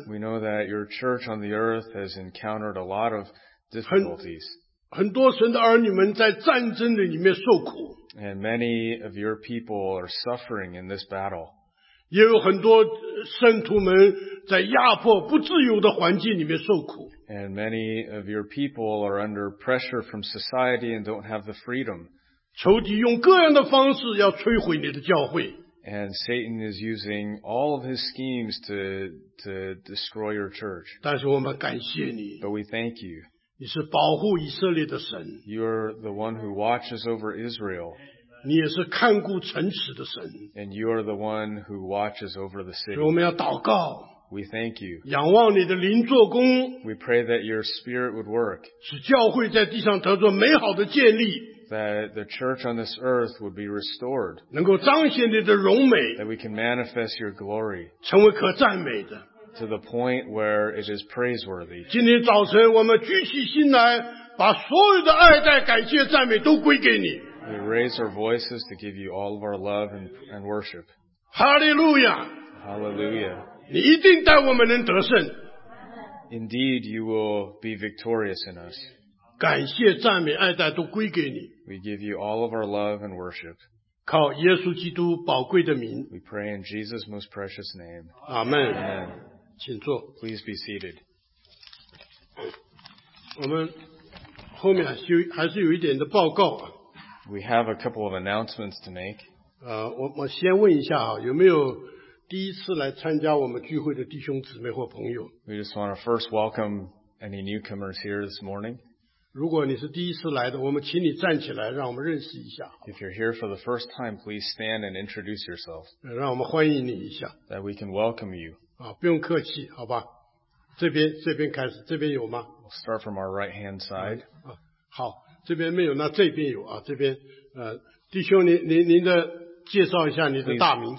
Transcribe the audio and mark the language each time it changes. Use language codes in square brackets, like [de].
[en] we know that your church on the earth has encountered a lot of difficulties. [zh] 很多神的儿女们在战争的里面受苦, [en] and many of your people are suffering in this battle. [zh] 也有很多圣徒们在压迫不自由的环境里面受苦, [en] and many of your people are under pressure from society and don't have the freedom. [zh] 仇敌用各样的方式要摧毁你的教会, [en] and Satan is using all of his schemes to destroy your church. [zh] 但是我们感谢你, [en] but we thank you. [zh] 你是保护以色列的神, [en] you are the one who watches over Israel. [zh] 你也是看顾城池的神, [en] and you are the one who watches over the city. [zh] 所以我们要祷告, [en] we thank you. [zh] 仰望你的灵做工, [en] we pray that your spirit would work. [zh] 使教会在地上得着美好的建立, [en] that the church on this earth would be restored. [zh] 能够彰显你的荣美, [en] that we can manifest your glory. [zh] 成为可赞美的, [en] to the point where it is praiseworthy. [zh] 今天早晨我们举起心来, 把所有的爱戴感谢赞美都归给你。 [en] We raise our voices to give you all of our love and worship. Hallelujah! Hallelujah! [zh] 你一定带我们能得胜。 [en] Indeed, you will be victorious in us. [zh] 感谢赞美爱戴都归给你。 [en] We give you all of our love and worship. [zh] 靠耶稣基督宝贵的名, [en] we pray in Jesus' most precious name. Amen. Amen. [zh] 请坐。 [en] Please be seated. [zh] 我们后面还是有一点的报告啊。 [en] We have a couple of announcements to make. [zh] 我先问一下啊,有没有第一次来参加我们聚会的弟兄姊妹或朋友? [en] We just want to first welcome any newcomers here this morning. [zh] 如果你是第一次来的,我们请你站起来,让我们认识一下。 [en] If you're here for the first time, please stand and introduce yourself. [zh] 让我们欢迎你一下。 [en] That we can welcome you. [zh] 不用客气,好吧?这边开始,这边有吗? [en] We'll start from our right-hand side. [zh] 好。这边没有,那这边有,这边,弟兄,您的介绍一下你的大名。